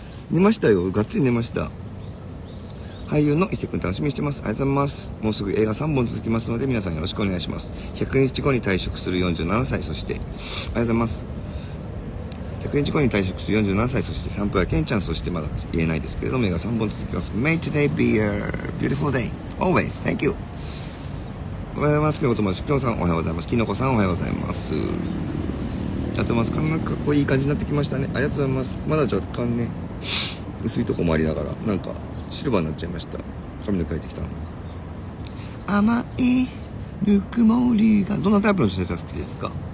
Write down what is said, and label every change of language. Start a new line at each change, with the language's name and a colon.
Japanese: 寝ましたよ、がっつり寝ました。俳優の伊勢くん楽しみにしてます。ありがとうございます。もうすぐ映画3本続きますので、皆さんよろしくお願いします。100日後に退職する47歳、そしてありがとうございます。 100日後に退職する47歳そして散歩やケンちゃん、そしてまだ言えないですけれども、映画3本続きます。
English: May today be a beautiful day always. Thank you.
Japanese: おはようございます。今日も友達さん、おはようございます。きのこさん、おはようございます。やってます。髪がかっこいい感じになってきましたね。ありがとうございます。まだ若干ね、薄いとこもありながら、なんかシルバーになっちゃいました。髪の毛描いてきたの。甘いぬくもりが、どんなタイプの女性が好きですか。